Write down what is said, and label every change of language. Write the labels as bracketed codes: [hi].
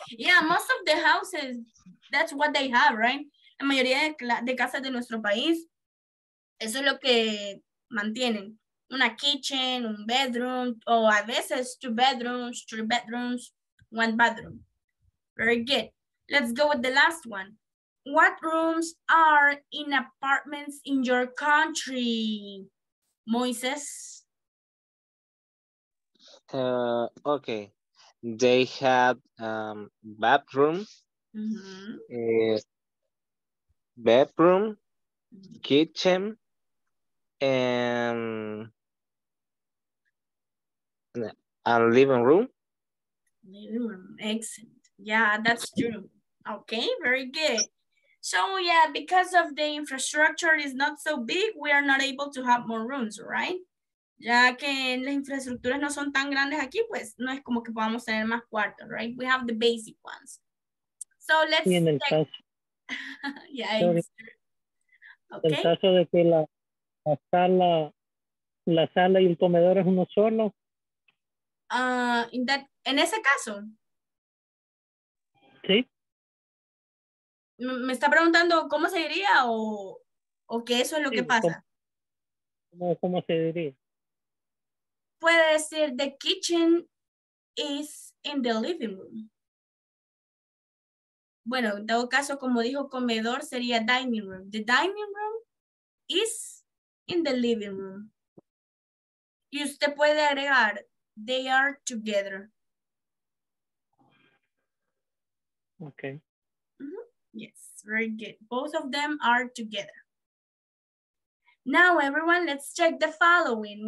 [en] Yeah, most of the houses, that's what they have, right? [es] La mayoría de casas de nuestro país, eso es lo que mantienen. [en] Una kitchen, un bedroom, [es] o a veces [en] two bedrooms, three bedrooms, one bathroom. Very good. Let's go with the last one. What rooms are in apartments in your country? Moises. Okay. They have bathroom, mm-hmm. Bedroom, kitchen, and living room. Living room, excellent. Yeah, that's true. Okay, very good. So yeah, because of the infrastructure is not so big, we are not able to have more rooms, right? [es] Ya que las infraestructuras no son tan grandes aquí, pues no es como que podamos tener más cuartos, right? [en] We have the basic ones. So let's check. Yeah, it's true. Okay. [es] El caso de que la sala y el comedor es uno solo. En ese caso. Sí. Me está preguntando cómo se diría o que eso es lo sí, que pasa. ¿Cómo se diría? Puede decir [en] the kitchen is in the living room. [es] Bueno, en todo caso, como dijo comedor, sería dining room. [en] The dining room is in the living room. [es] Y usted puede agregar [en] they are together. Okay. Yes, very good. Both of them are together. Now, everyone, let's check the following.